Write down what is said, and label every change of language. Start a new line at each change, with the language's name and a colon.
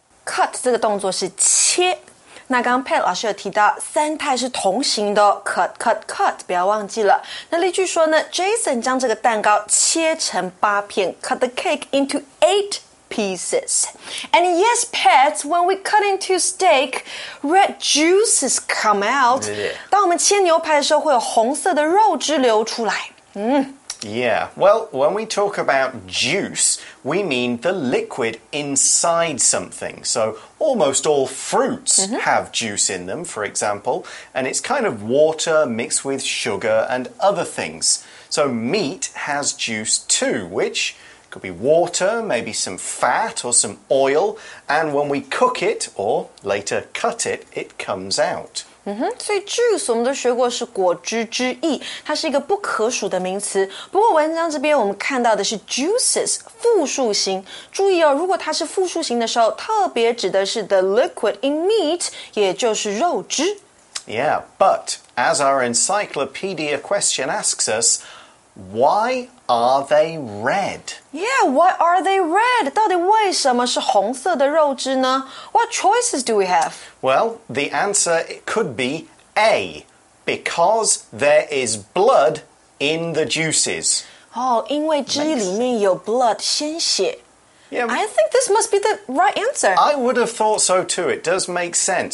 Chinese: Cut 这个动作是切。那刚刚 Pat 老师有提到三态是同形的、哦、cut, cut, cut, 不要忘记了。那例句说呢 ,Jason 将这个蛋糕切成8片 ,
English: cut the cake into 8 pieces. And yes, Pat, when we cut into steak, red juices come out.
Chinese: 当我们切牛排的时候会有红色的肉汁流出来。
English: Yeah, well, when we talk about juice, we mean the liquid inside something. So almost all fruits have juice in them, for example, and it's kind of water mixed with sugar and other things. So meat has juice too, which could be water, maybe some fat or some oil, and when we cook it, or later cut it, it comes out.
Chinese: 所以 juice 我们都学过是果汁汁液，它是一个不可数的名词。不过文章这边我们看到的是 juices 复数型，注意哦，如果它是复数型的时候，特别指的是
English: the liquid in meat，
Chinese: 也就是肉汁。
English: Yeah, but as our encyclopedia question asks us, why are they red? Yeah, why are they red?
Chinese: 到底为什么是红色的肉汁呢？
English: What choices do we have? Well, the answer could be A, because there is blood in the juices.
Chinese: Oh, 因为汁里面有 blood, 鲜血。
English: Yeah, I think this must be the right answer. I would have thought so too. It does make sense.